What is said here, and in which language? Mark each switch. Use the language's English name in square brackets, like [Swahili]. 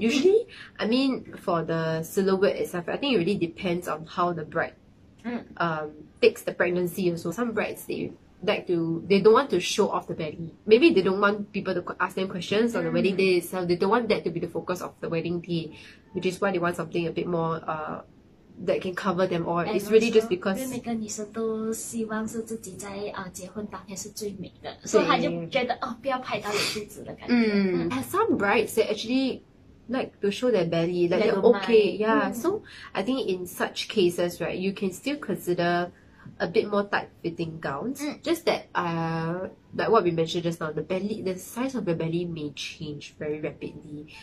[English] Usually, I mean, for the silhouette itself, I think it really depends on how the bride takes the pregnancy also. Some brides, they don't want to show off the belly. Maybe they don't want people to ask them questions on the wedding day itself. They don't want that to be the focus of the wedding day, which is why they want something a bit more that can cover them all. And it's really just because [Chinese] 每个女生都希望是自己在 结婚当天是最美的, so 她就觉得 不要拍到有肚子的感觉. [English] And some brides, they actually like to show their belly, like they're okay. So I think in such cases, right, you can still consider a bit more tight-fitting gowns. Just that, like what we mentioned just now, the belly, the size of your belly may change very rapidly.